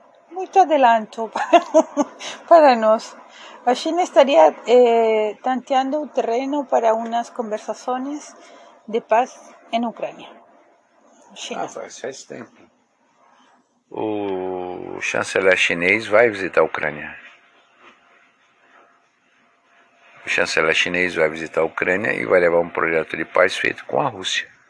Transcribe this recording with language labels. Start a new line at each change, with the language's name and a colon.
Portuguese: Muito adelanto para nós.
Spanish: A China estaría tanteando un terreno para unas conversaciones de paz en Ucrania. China.
Portuguese: Faz tempo. O chanceler chinês vai visitar a Ucrânia. O chanceler chinês vai visitar a Ucrânia e vai levar um projeto de paz feito com a Rússia.